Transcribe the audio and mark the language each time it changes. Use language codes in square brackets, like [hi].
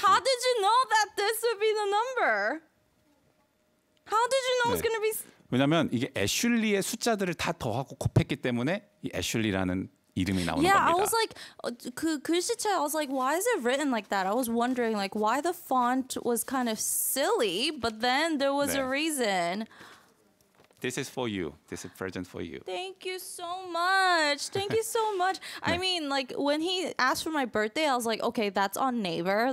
[en] how did you know that this would be the number? How did you know 네. it's gonna be? [ko] 왜냐면 이게 애슐리의 숫자들을 다 더하고 곱했기 때문에 이 애슐리라는 이름이 나오는 [en] yeah, Yeah, I was like, [ko] 그 글씨체, [en] I was like, why is it written like that? I was wondering, like, why the font was kind of silly, but then there was 네. a reason. This is for you. This is a present for you. Thank you so much. Thank you so much. 네. I mean, like, when he asked for my birthday, I was like, okay, that's on neighbor.